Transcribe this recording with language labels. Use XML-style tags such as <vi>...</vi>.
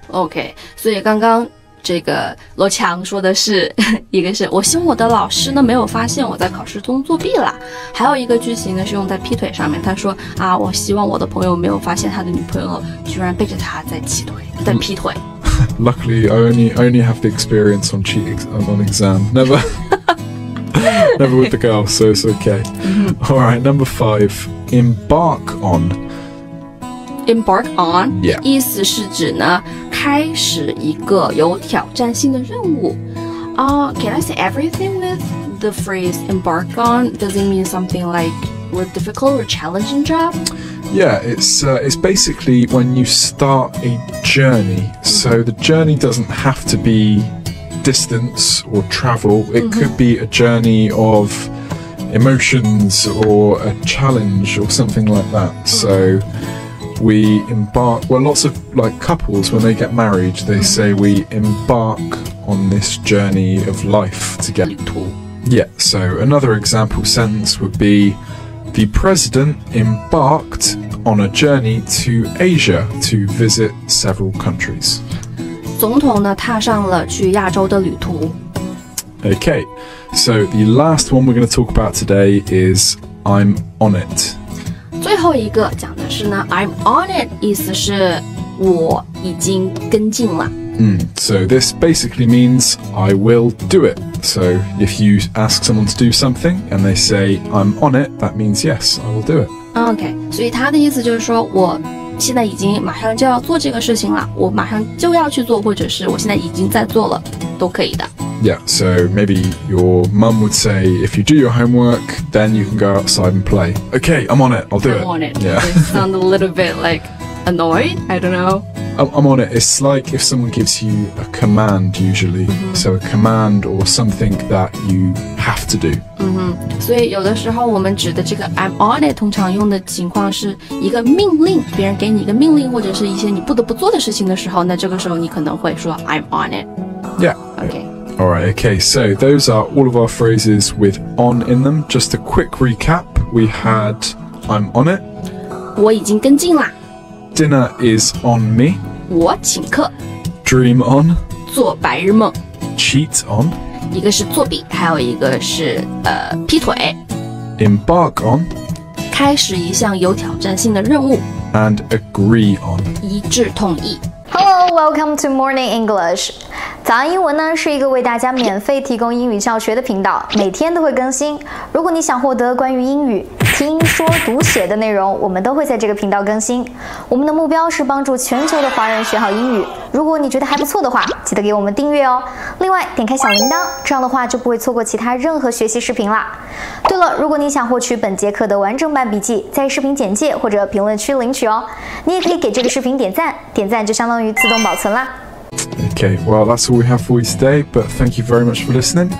<zh>Okay. 所以刚刚。这个罗强说的是一个是我希望我的老师呢没有发现我在考试中作弊了还有一个句型呢是用在劈腿上面他说啊我希望我的朋友没有发现他的女朋友居然背着他在劈腿</zh> <en>Luckily I only have the experience on cheating on exam never with the girl so it's okay alright number five embark on yeah</en> <zh>意思是指呢开始一个有挑战性的任务、</zh> <en>can I say everything with the phrase embark on? Does it mean something like a difficult or challenging job? Yeah, it's basically when you start a journey. So the journey doesn't have to be distance or travel. It、mm-hmm. could be a journey of emotions or a challenge or something like that. So... We embark, well, lots of like couples when they get married, they say we embark on this journey of life together. Yeah, so another example sentence would be the president embarked on a journey to Asia to visit several countries.</en> <zh>总统呢踏上了去亚洲的旅途。</zh> <en>Okay, so the last one we're going to talk about today is I'm on it.</en> <zh>最后一个讲的是呢 I'm on it 意思是我已经跟进了、</zh> <en>So this basically means I will do it So if you ask someone to do something And they say I'm on it That means yes, I will do it</en> <zh>OK, 所以他的意思就是说我现在已经马上就要做这个事情了我马上就要去做或者是我现在已经在做了都可以的</zh> <en>Yeah, so maybe your mum would say, if you do your homework, then you can go outside and play. Okay, I'm on it, I'll do I'm it. I'm on it. Yeah. It sounds a little bit like annoyed, I don't know. I'm on it. It's like if someone gives you a command usually. Mm-hmm. So a command or something that you have to do. Mm-hmm.</en> <zh>所以有的时候我们指的这个 I'm on it 通常用的情况是一个命令别人给你一个命令或者是一些你不得不做的事情的时候那这个时候你可能会说 I'm on it.</zh> <en>Yeah. Okay. Alright, okay, so those are all of our phrases with on in them. Just a quick recap, we had I'm on it.</en> <zh>我已经跟进了。</zh> <en>Dinner is on me.</en> <zh>我请客。</zh> <en>Dream on.</en> <zh>做白日梦。</zh> <en>Cheat on.</en> <zh>一个是作弊，还有一个是劈腿。</zh> <en>Embark on.</en> <zh>开始一项有挑战性的任务。</zh> <en>And agree on.</en> <zh>一致同意。</zh> <en>Hello, welcome to Morning English.</en> <zh>早安英文呢是一个为大家免费提供英语教学的频道，每天都会更新。如果你想获得关于英语听说读写的内容，我们都会在这个频道更新。我们的目标是帮助全球的华人学好英语。如果你觉得还不错的话，记得给我们订阅哦。另外，点开小铃铛，这样的话就不会错过其他任何学习视频啦。对了，如果你想获取本节课的完整版笔记，在视频简介或者评论区领取哦。你也可以给这个视频点赞，点赞就相当于自动保存啦。</zh> <en>Okay, well, that's all we have for you today, but thank you very much for listening.</en>